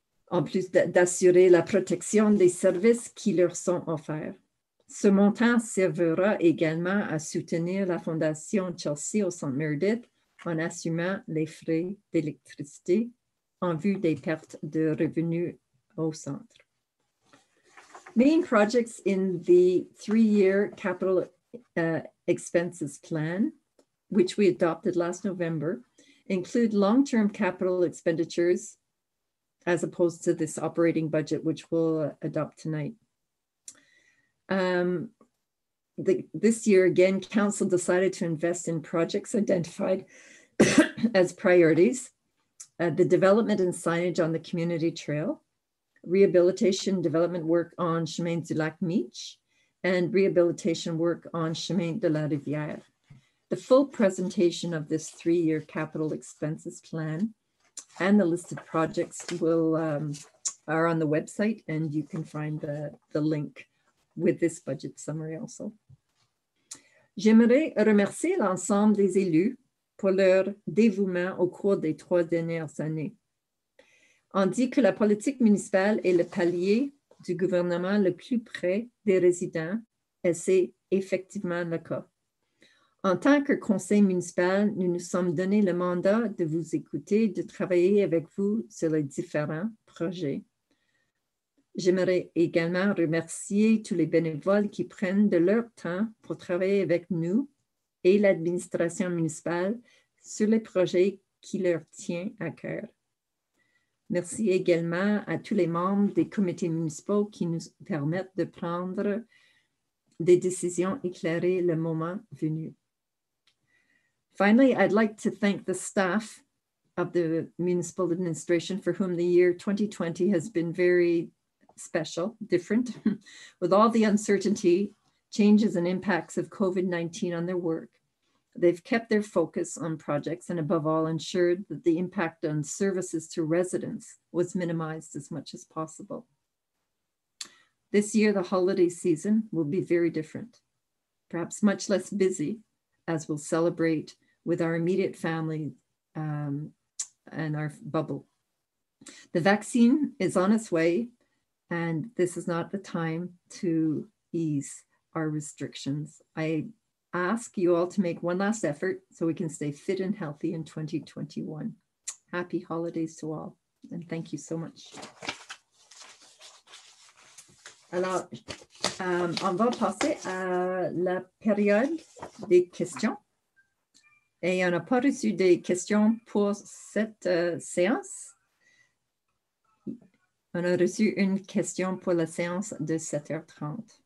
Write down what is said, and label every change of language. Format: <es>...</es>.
<fr>En plus d'assurer la protection des services qui leur sont offerts, ce montant servira également à soutenir la Fondation Chelsea au Centre Meredith en assumant les frais d'électricité en vue des pertes de revenus au centre.</fr> <en>Main projects in the three-year capital expenses plan, which we adopted last November, include long-term capital expenditures as opposed to this operating budget, which we'll adopt tonight. This year, again, council decided to invest in projects identified as priorities, the development and signage on the community trail, rehabilitation development work on Chemin du Lac Meech, and rehabilitation work on Chemin de la Rivière. The full presentation of this three-year capital expenses plan and the list of projects are on the website, and you can find the link with this budget summary also.</en> <fr>J'aimerais remercier l'ensemble des élus pour leur dévouement au cours des trois dernières années. On dit que la politique municipale est le palier du gouvernement le plus près des résidents, et c'est effectivement le cas. En tant que conseil municipal, nous nous sommes donné le mandat de vous écouter, de travailler avec vous sur les différents projets. J'aimerais également remercier tous les bénévoles qui prennent de leur temps pour travailler avec nous et l'administration municipale sur les projets qui leur tiennent à cœur. Merci également à tous les membres des comités municipaux qui nous permettent de prendre des décisions éclairées le moment venu.</fr> <en>Finally, I'd like to thank the staff of the municipal administration for whom the year 2020 has been very special, different, with all the uncertainty, changes and impacts of COVID-19 on their work. They've kept their focus on projects and above all ensured that the impact on services to residents was minimized as much as possible. This year, the holiday season will be very different, perhaps much less busy, as we'll celebrate with our immediate family and our bubble. The vaccine is on its way, and this is not the time to ease our restrictions. I ask you all to make one last effort so we can stay fit and healthy in 2021. Happy holidays to all, and thank you so much.</en> <fr>Alors, on va passer à la période des questions. Et on n'a pas reçu des questions pour cette séance. On a reçu une question pour la séance de 7h30.</fr>